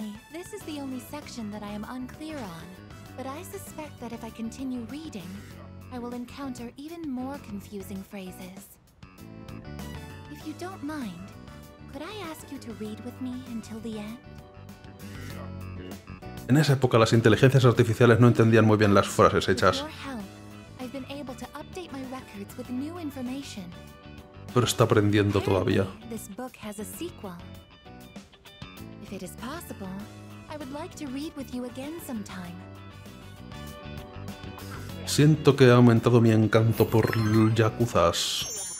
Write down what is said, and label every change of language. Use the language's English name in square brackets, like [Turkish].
[English] This is the only section that I am unclear on, but I suspect that if I continue reading, I will encounter even more confusing phrases. If you don't mind, could I ask you to read with me until the end? [Spanish] En esa época las inteligencias artificiales no entendían muy bien las frases hechas. [English] I've been able to update my records with new information. [Spanish] Pero está aprendiendo todavía. [English] This book has a sequel. If it is possible, I would like to read with you again sometime. [Spanish] Siento que ha aumentado mi encanto por yakuzas.